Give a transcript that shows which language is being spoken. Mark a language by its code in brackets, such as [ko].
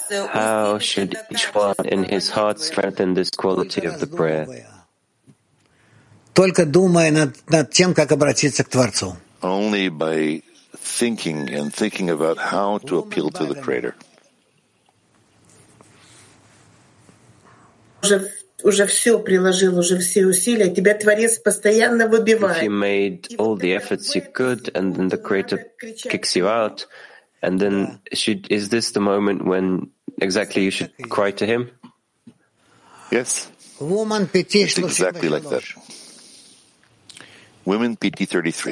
[en] How should each one in his heart strengthen this quality of the prayer? [ru] Только думая над тем, как обратиться к Творцу. [en] Only by thinking and thinking about how to appeal to the Creator. [ru] Уже все приложил, уже все усилия. Тебя Творец постоянно выбивает. [en] If you made all the efforts you could, and then the Creator kicks you out, and then is this the moment when exactly you should cry to Him? Yes. Woman, it's exactly like that. Women, PT 33.